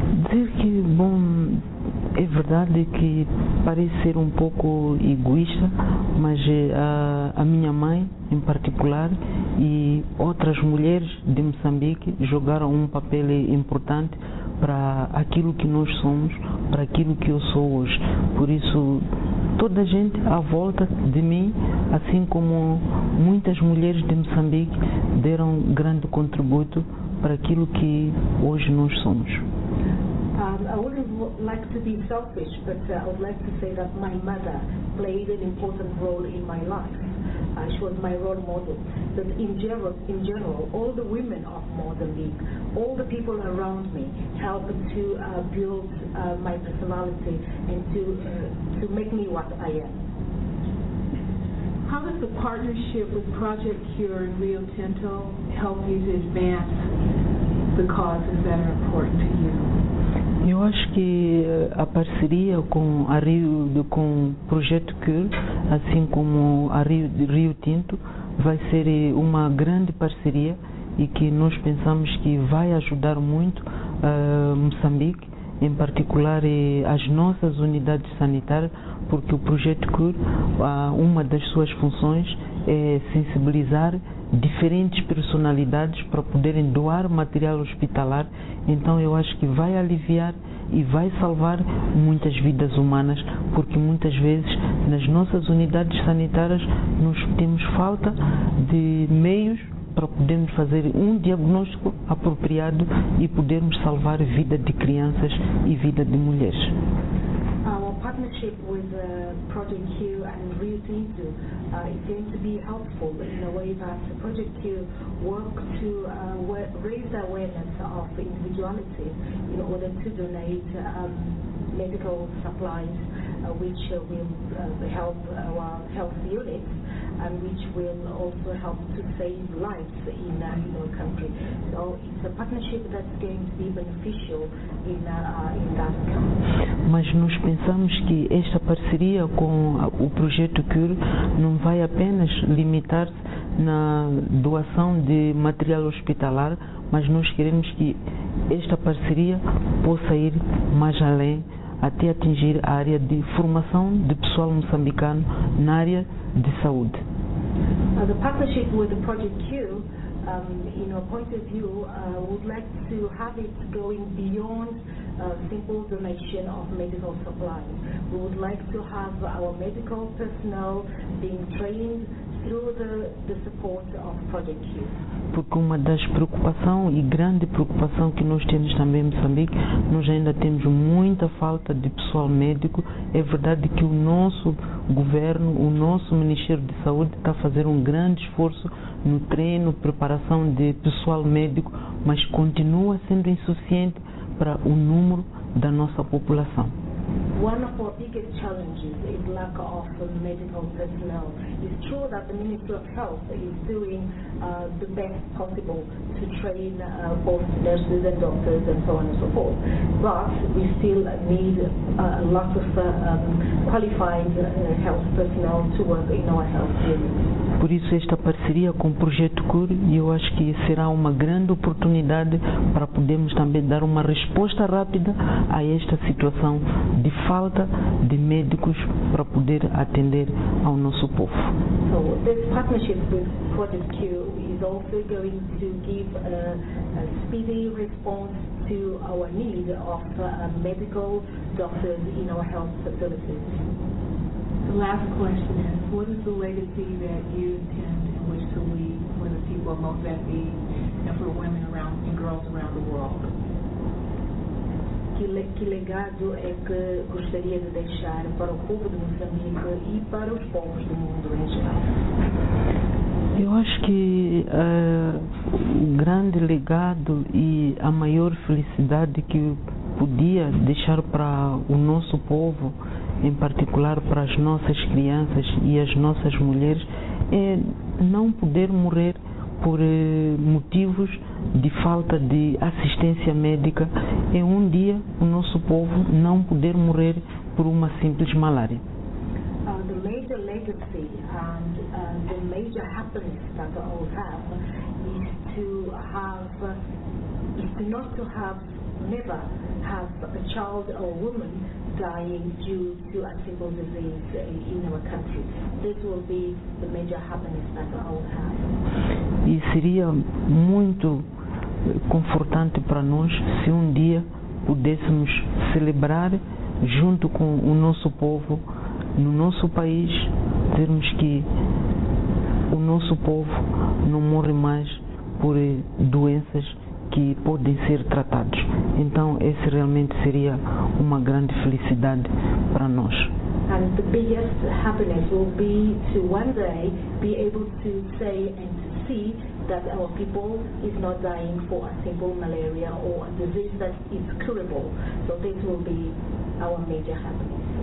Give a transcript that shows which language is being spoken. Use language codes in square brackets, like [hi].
[pt] Dizer que, bom, é verdade que parece ser um pouco egoísta, mas a minha mãe, em particular, e outras mulheres de Moçambique jogaram um papel importante para aquilo que nós somos, para aquilo que eu sou hoje. Por isso, toda a gente à volta de mim, assim como muitas mulheres de Moçambique, deram grande contributo para aquilo que hoje nós somos. [en] I wouldn't like to be selfish, but I would like to say that my mother played an important role in my life. She was my role model. But in general, all the women of Mozambique, all the people around me, helped to build my personality and to make me what I am. How does the partnership with Project Cure and Rio Tinto help you to advance the causes that are important to you? [pt] Eu acho que a parceria com a Rio, com o Projeto Cure, assim como a Rio Tinto, vai ser uma grande parceria e que nós pensamos que vai ajudar muito Moçambique, em particular as nossas unidades sanitárias, porque o Projeto Cure, uma das suas funções é sensibilizar diferentes personalidades para poderem doar material hospitalar. Então eu acho que vai aliviar e vai salvar muitas vidas humanas, porque muitas vezes nas nossas unidades sanitárias nós temos falta de meios para podermos fazer um diagnóstico apropriado e podermos salvar vida de crianças e vida de mulheres. [en] Our partnership with Project Q and Rio Tinto is going to be helpful in the way that Project Q works to raise awareness of individuality in order to donate medical supplies, which will help our health units, and which will also help to save lives in our country. So it's a partnership that's going to be beneficial in that country. [pt] Mas nós pensamos que esta parceria com o Projeto CURE não vai apenas limitar-se na doação de material hospitalar, mas nós queremos que esta parceria possa ir mais além, até atingir a área de formação de pessoal moçambicano na área de saúde. [en] The partnership with the Project Q, in our point of view, would like to have it going beyond simple donation of medical supplies. We would like to have our medical personnel being trained through the support of Project Q. [pt] Porque uma das preocupações e grande preocupação que nós temos também em Moçambique, nós ainda temos muita falta de pessoal médico. É verdade que o nosso governo, o nosso Ministério de Saúde está a fazer um grande esforço no treino, preparação de pessoal médico, mas continua sendo insuficiente para o número da nossa população. [en] One of our biggest challenges is lack of medical personnel. It's true that the Ministry of Health is doing the best possible to train both nurses and doctors and so on and so forth. But we still need lots of qualified health personnel to work in our health units. [pt] Por isso esta parceria com o Projeto CURE, eu acho que será uma grande oportunidade para podermos também dar uma resposta rápida a esta situação de falta de médicos para poder atender ao nosso povo. [en] So, this partnership with Project Q is also going to give a speedy response to our need of medical doctors in our health facilities. The last question is, what is the legacy that you intend and wish to leave for the people of Mozambique and for women around and girls around the world? [pt] Que legado é que gostaria de deixar para o povo de Moçambique e para os povos do mundo em geral? Eu acho que o grande legado e a maior felicidade que podia deixar para o nosso povo, em particular para as nossas crianças e as nossas mulheres, é não poder morrer por motivos de falta de assistência médica, é um dia o nosso povo não poder morrer por uma simples malária. [en] The major legacy and the major happiness that we all have is to have, is to not to have, never have a child or woman dying due to a simple disease in our country. This will be the major happiness that we all have. [pt] E seria muito confortante para nós se um dia pudéssemos celebrar junto com o nosso povo, no nosso país, dizermos que o nosso povo não morre mais por doenças que podem ser tratadas. Então, esse realmente seria uma grande felicidade para nós. [en] And the biggest happiness will be to one day be able to say and to see that our people is not dying for a simple malaria or a disease that is curable. So this will be our major happiness.